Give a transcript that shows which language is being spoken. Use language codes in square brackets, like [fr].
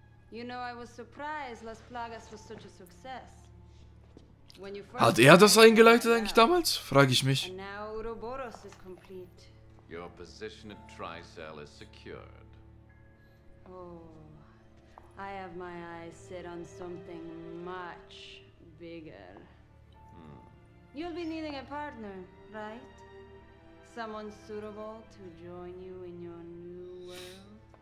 [en] You know, I was surprised Las Plagas was such a success. [de] When you first... Hat er das eingeleitet eigentlich damals? Frage ich mich. [en] And now Ouroboros is complete. Your position at Tricell is secured. Oh, I have my eyes set on something much bigger. You'll be needing a partner, right? Someone suitable to join you in your new world?